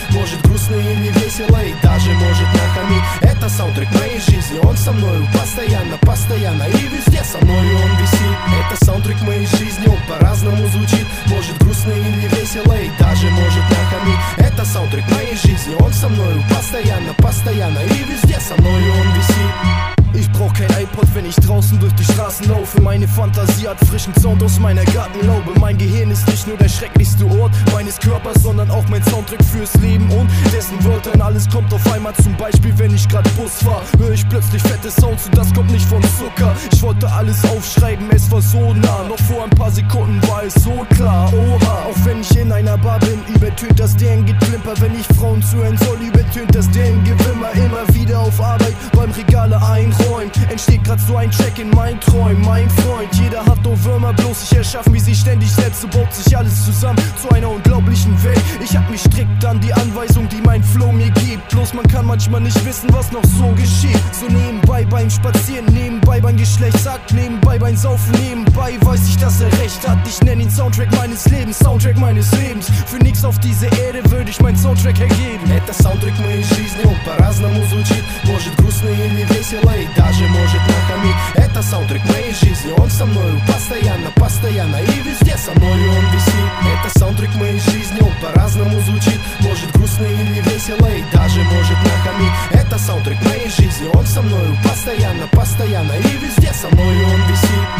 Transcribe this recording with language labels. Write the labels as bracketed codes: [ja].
[ru] Может грустно или весело, и даже может нахамить. Это саундтрек моей жизни, он со мною постоянно, постоянно. И везде со мною он висит. Это саундтрек моей жизни, он по-разному звучит. Может грустно или весело, и даже может нахамить. Это саундтрек моей жизни, он со мною постоянно, постоянно. И везде со мною он висит. [de] Ich brauch kein iPod, wenn ich draußen durch die Straßen laufe. Meine Fantasie hat frischen Sound aus meiner Gartenlaube. Mein Gehirn ist nicht nur der schrecklichste Ort meines Körpers, sondern auch mein Soundtrack fürs Leben und dessen Wörtern. Alles kommt auf einmal, zum Beispiel wenn ich grad Bus fahr, hör ich plötzlich fette Sounds und das kommt nicht von Zucker. Ich wollte alles aufschreiben, es war so nah. Noch vor ein paar Sekunden war es so klar. Oha, auch wenn ich in einer Bar bin, übertönt das deren Geklimper. Wenn ich Frauen zuhören soll, übertönt das deren Gewimmer. Immer wieder auf Arbeit, beim Regale einräumen. Entsteht grad so ein Track in meinen Träumen, mein Freund. Jeder hat nur Würmer, bloß ich erschaffe mir sie ständig selbst. So baut sich alles zusammen zu einer unglaublichen Welt. Ich hab mich strikt an die Anweisung, die mein Flow mir gibt. Bloß man kann manchmal nicht wissen, was noch so geschieht. So nebenbei beim Spazieren, nebenbei beim Geschlecht sagt, nebenbei beim Saufen, nebenbei weiß ich, dass er recht hat. Ich nenn ihn Soundtrack meines Lebens, Soundtrack meines Lebens. Für nix auf dieser Erde würde ich mein Soundtrack ergeben. [ru] Это саундтрек моей жизни, он по-разному звучит. Может грустно или весело, и даже может накомить. Это саундтрек моей жизни, он со мною постоянно, постоянно. И везде со мною он висит. Это саундтрек моей жизни, он по-разному звучит. Может грустно или весело, и даже может накомить. Это саундтрек моей жизни, он со мною постоянно, постоянно. И везде со мною он висит.